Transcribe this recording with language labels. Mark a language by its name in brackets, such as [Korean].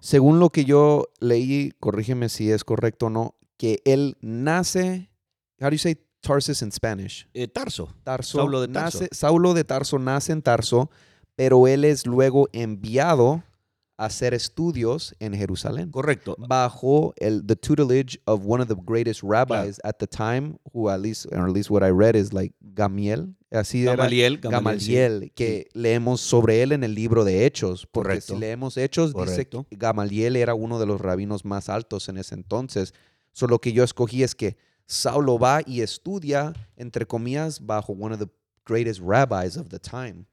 [Spanish] Según lo que yo leí, corrígeme si es correcto o no, que él nace, [English] how do you say, Tarsus in Spanish? [Spanish] Tarso. Tarso. Saulo de Tarso. Saulo de Tarso nace en Tarso, pero él es luego enviado a hacer estudios en Jerusalén. Correcto. Bajo [English] the tutelage of one of the greatest rabbis at the time, who at least what I read is like Gamaliel. [Spanish] Así era. Gamaliel, sí. Que sí. Leemos sobre él en el libro de Hechos. Porque correcto. Si leemos Hechos, correcto. Dice que Gamaliel era uno de los rabinos más altos en ese entonces. So lo que yo escogí es que Saulo va y estudia, entre comillas, bajo [English] one of the greatest rabbis of the time.